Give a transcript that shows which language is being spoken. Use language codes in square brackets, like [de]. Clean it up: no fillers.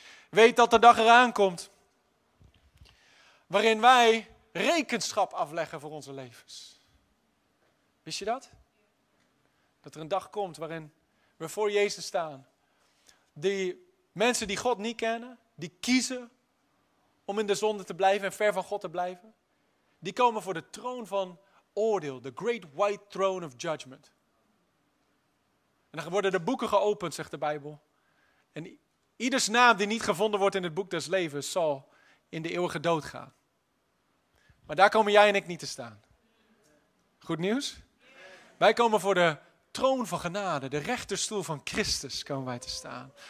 [nl] Weet dat de dag eraan komt, waarin wij rekenschap afleggen voor onze levens. Wist je dat? Dat er een dag komt waarin we voor Jezus staan. Die mensen die God niet kennen, die kiezen om in de zonde te blijven en ver van God te blijven. Die komen voor de troon van oordeel. [en] The great white throne of judgment. [nl] En dan worden de boeken geopend, zegt de Bijbel. En ieders naam die niet gevonden wordt in het boek des levens zal in de eeuwige dood gaan. Maar daar komen jij en ik niet te staan. Goed nieuws? Wij komen voor de troon van genade, de rechterstoel van Christus komen wij te staan.